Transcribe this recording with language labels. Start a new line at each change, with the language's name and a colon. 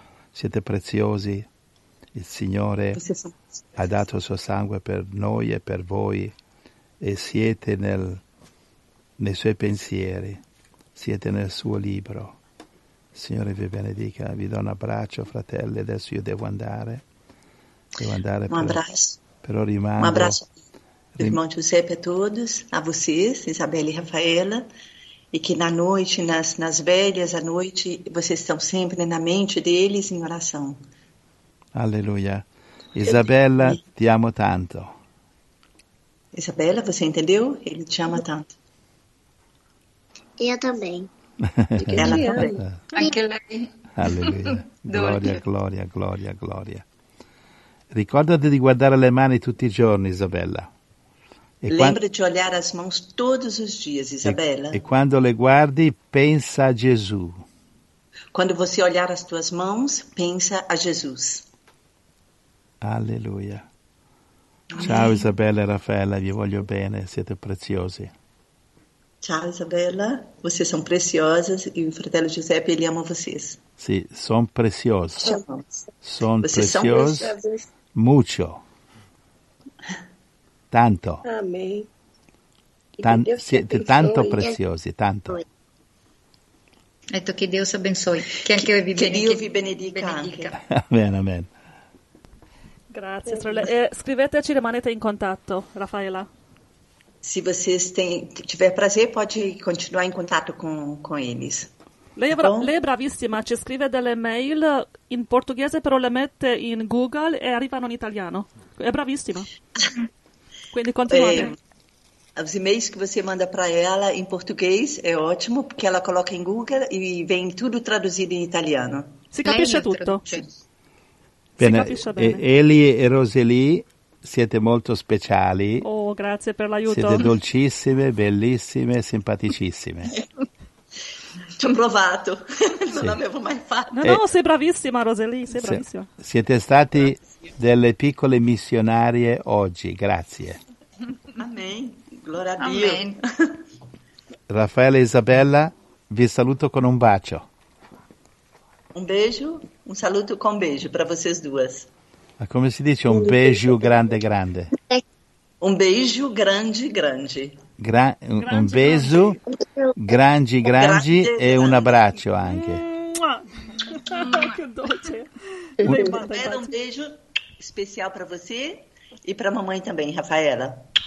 Italian: Siete preziosi, il Signore ha dato il suo sangue per noi e per voi e siete nei suoi pensieri, siete nel suo libro. Signore vi benedica, vi do un abbraccio fratelli, adesso io devo andare un abbraccio, però rimango un abbraccio
Portuguese: irmão Giuseppe a todos, a vocês, Isabella e Rafaela,
Italian: e che
Portuguese: na noite, nas velhas a noite, vocês estão sempre na mente deles em oração.
Italian: Alleluia. Isabella, ti amo tanto.
Portuguese: Isabella, você entendeu? Ele te ama tanto. Eu também. Ela também.
Italian: Aleluia. Gloria, gloria, gloria, gloria. Ricordati di guardare le mani tutti i giorni, Isabella.
Portuguese: Lembra di olhare as mãos todos os dias, Isabella.
Italian: E quando le guardi, pensa a Gesù.
Portuguese: Quando você olhar as tuas mãos, pensa a Jesus. Aleluia.
Italian: Ciao, Isabella e Rafaela, vi voglio bene, siete preziosi.
Portuguese: Ciao Isabella, vocês são preciosas e o
Italian: fratello
Portuguese: Giuseppe, ele ama vocês. Sim, são preciosos. São preciosos. Muito. Tanto. Amém.
Italian: Siete tanto preciosi, tanto.
Portuguese: Ecco, que Deus abençoe. Que
Italian: anche
Portuguese: eu
Italian: vi benedica.
Portuguese: Que Deus
Italian: vi benedica anche.
Portuguese: Amém, amém.
Italian: Grazie. Scriveteci, rimanete in contatto, Rafaela.
Portuguese: Se vocês tiver prazer, pode continuar em contato com eles.
Italian: Lei é bravíssima,
Portuguese: te escreve
Italian: delle mail
Portuguese: em português,
Italian: però le mette in Google e arrivano in italiano.
Portuguese: É bravíssima.
Italian: Quindi continua.
Portuguese: Os e-mails que você manda para ela em português é ótimo, porque ela coloca em Google e vem tudo traduzido em italiano.
Italian: Si capisce tutto. Bene. Si capisce bene. Eli e Roseli, siete molto speciali. Oh, grazie per l'aiuto. Siete dolcissime, bellissime, simpaticissime. Ci ho provato, non sì. L'avevo mai fatto. No, sei bravissima, Roseli, sei bravissima. Siete stati delle piccole missionarie oggi, grazie. Amen, gloria a Dio. Amen. Rafaela e Isabella, vi saluto con un bacio.
Portuguese: Un beijo,
Italian: un saluto con
Portuguese: beijo para vocês duas.
Italian: Ma come si dice un beijo grande grande?
Portuguese: Un beijo grande grande.
Italian: Un beso grandi grandi e un abbraccio anche. Che dolce. Un beijo speciale per voi e per mamma anche, Rafaela.